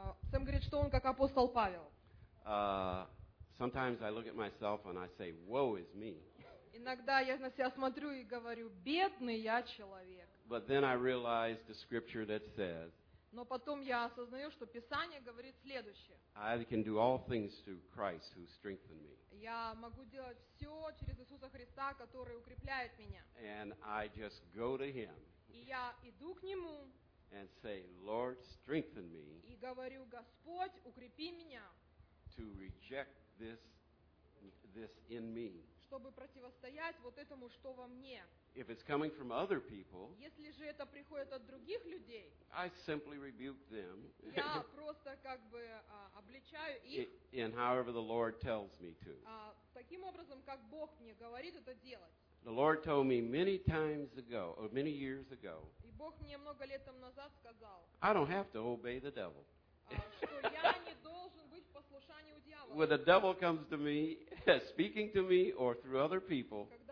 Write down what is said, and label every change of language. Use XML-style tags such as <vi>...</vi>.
<ru>Сэм говорит, что он как апостол Павел.</ru> <en>Sometimes I look at myself and I say, woe is me.</en> <ru>Иногда я на себя смотрю и говорю, бедный я человек.</ru> <en>But then I realize the scripture that says.</en> <ru>Но потом я осознаю, что Писание говорит следующее.</ru> <en>I can do all things through Christ who strengthened me.</en> <ru>Я могу делать все через Иисуса Христа, который укрепляет меня.</ru> <en>And I just go to him.</en> <ru>И я иду к нему.</ru> <en>And say, Lord, strengthen me.</en> <ru>И говорю, Господь, укрепи меня.</ru> <en>To reject this in me.</en> <ru>Чтобы противостоять вот этому, что во мне.</ru> <en>If it's coming from other people,</en> <ru>если же это приходит от других людей,</ru> <en>I simply rebuke them.</en> <ru>Я просто как бы обличаю их.</ru> <en>In however the Lord tells me to.</en> <ru>Таким образом, как Бог мне говорит это делать.</ru> <en>The Lord told me many times ago, or many years ago.</en> <ru>И Бог мне много лет тому назад сказал.</ru> <en>I don't have to obey the devil.</en> <ru>Что я не должен быть в послушании у дьявола.</ru> <en>When the devil comes to me, speaking to me or through other people.</en>